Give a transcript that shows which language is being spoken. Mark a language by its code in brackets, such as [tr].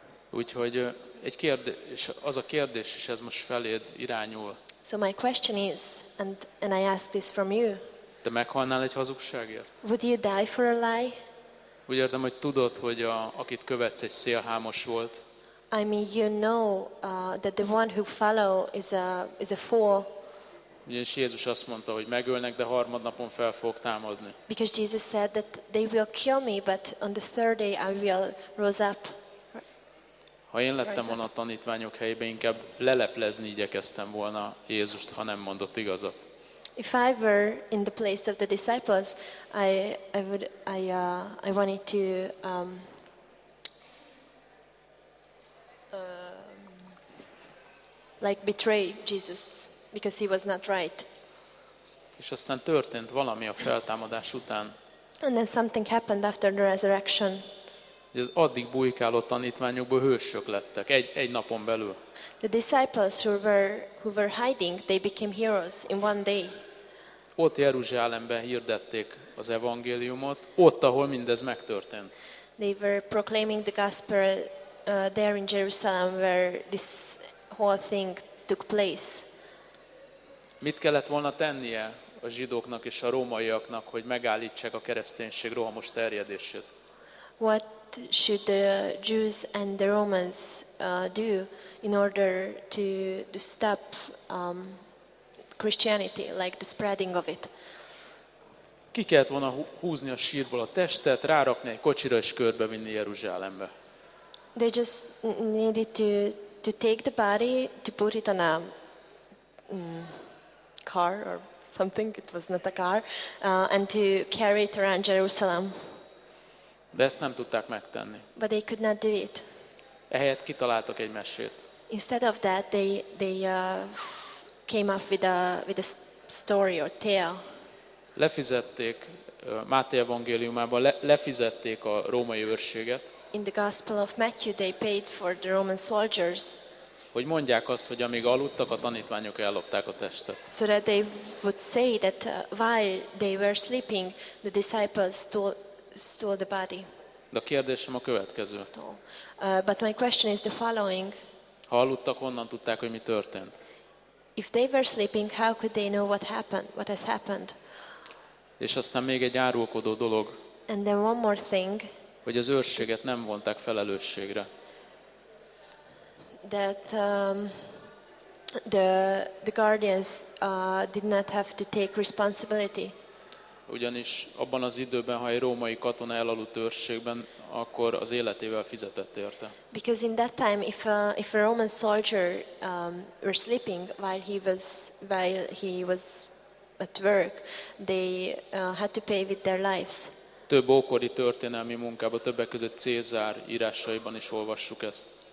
[hu] Úgyhogy egy kérdés, az a kérdés is ez most feléd irányul. [en] So my question is, and I ask this from you. [hu] Te meghalnál egy hazugságért? [en] Would you die for a lie? [hu] Úgy értem, hogy tudod, hogy akit követsz, egy szélhámos volt. [en] I mean, you know that the one who follow is a fool. [hu] Ugyanis Jézus azt mondta, hogy megölnek, de harmadnapon fel fogok támadni. [en] Because Jesus said that they will kill me, but on the third day I will rise up. [hu] Ha én lettem volna a tanítványok helyében, inkább leleplezni igyekeztem volna Jézust, ha nem mondott igazat. [en] If I were in the place of the disciples, I wanted to like betray Jesus because he was not right. [hu] És aztán történt valami a feltámadás után. [en] And then something happened after the resurrection. [hu] Addig bujkáló tanítványokból hősök lettek egy napon belül. [en] The disciples who were hiding, they became heroes in one day. [hu] Ott Jeruzsálemben hirdették az evangéliumot, ott, ahol mindez megtörtént. [en] They were proclaiming the gospel there in Jerusalem where this whole thing took place. [hu] Mit kellett volna tennie a zsidóknak és a rómaiaknak, hogy megállítsák a kereszténység rohamos terjedését? [en] What should the Jews and the Romans do in order to stop Christianity, like the spreading of it. [hu] Ki kellett volna húzni a sírból a testet, rárakni egy kocsira és körbevinni Jeruzsálembe. [en] They just needed to take the body, to put it on a car or something, it was not a car, and to carry it around Jerusalem. [hu] De ezt nem tudták megtenni. [en] But they could not do it. [hu] Ehelyett kitaláltak egy mesét. [en] Instead of that, they came up with a story or tale. [hu] Lefizették Máté evangéliumában lefizették a római őrséget. [en] In the Gospel of Matthew they paid for the Roman soldiers. [hu] Hogy mondják azt, hogy amíg aludtak a tanítványok ellopták a testet. [en] So that they would say that while they were sleeping the disciples stole the body. [hu] De a kérdésem a következő. [en] But my question is the following. [hu] Ha aludtak, honnan tudták, hogy mi történt? [en] If they were sleeping, how could they know what happened? What has happened? [hu] És aztán még egy árulkodó dolog. [en] And then one more thing. [hu] Hogy az őrséget nem vonták felelősségre. [en] That the guardians did not have to take responsibility. [hu] Ugyanis abban az időben, ha egy római katona elaludt őrségben, akkor az életével fizetett érte. [en] Because in that time if a Roman soldier were sleeping while he was at work, they had to pay with their lives. [hu] Több ókori történelmi munkában, többek között Cézár írásaiban is olvassuk ezt.